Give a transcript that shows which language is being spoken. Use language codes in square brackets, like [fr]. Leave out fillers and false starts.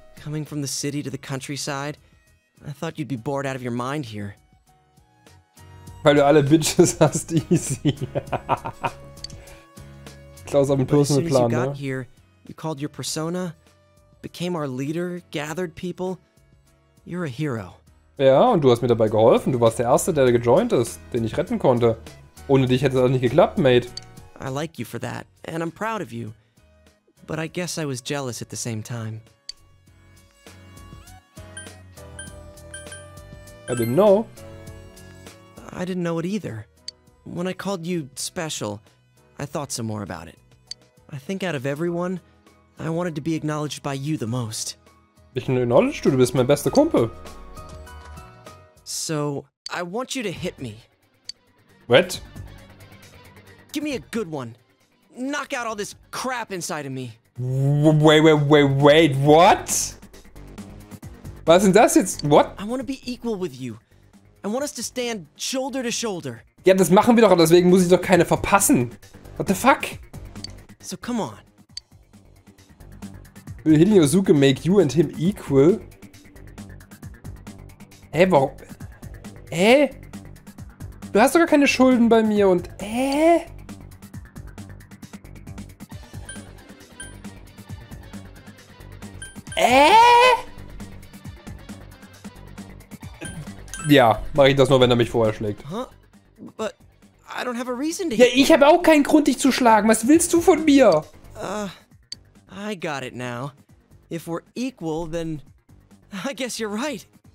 [en] Coming from the city to the countryside, I thought you'd be bored out of your mind here. [de] Weil du alle Bitches hast, easy. Klaus hat einen [en] personal plan, [de] ne? [en] But as soon as you got here, you called your persona, became our leader, gathered people. You're a hero. [de] Ja, und du hast mir dabei geholfen. Du warst der Erste, der gejoint ist, den ich retten konnte. Ohne dich hätte es auch nicht geklappt, Mate. [en] I like you for that, and I'm proud of you. But I guess I was jealous at the same time. I didn't know. I didn't know it either. When I called you special, I thought some more about it. I think out of everyone, I wanted to be acknowledged by you the most. [de] Ich [en] acknowledge you, [de] du bist mein bester Kumpel. [en] So, I want you to hit me. What? Give me a good one. Knock out all this crap inside of me. Wait, what? [de] Was ist das jetzt? [en] What? I want to be equal with you. I want us to stand shoulder to shoulder. [de] Ja, das machen wir doch, deswegen muss ich doch keine verpassen. [en] What the fuck? So come on. Will Hideo Yosuke make you and him equal? [de] Hä, warum? Hä? Du hast sogar keine Schulden bei mir und hä? Ja, mache ich das nur, wenn er mich vorher schlägt. [en] Huh? But I don't have a reason to [de] hit. Ja, ich habe auch keinen Grund, dich zu schlagen. Was willst du von mir? [en] I got it now. If we're equal, then I guess you're right.